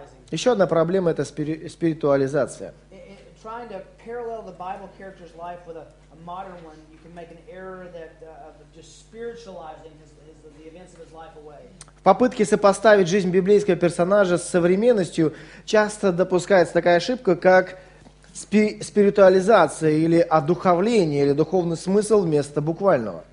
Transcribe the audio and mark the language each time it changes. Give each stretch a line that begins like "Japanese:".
Russian: Еще одна проблема – это спиритуализация.
English: Trying to parallel the Bible character's life with a modern one, you can make an error that of just spiritualizing the events of his life away.
Russian: В попытке сопоставить жизнь библейского персонажа с современностью часто допускается такая ошибка, как спиритуализация или одуховление или духовный смысл вместо буквального.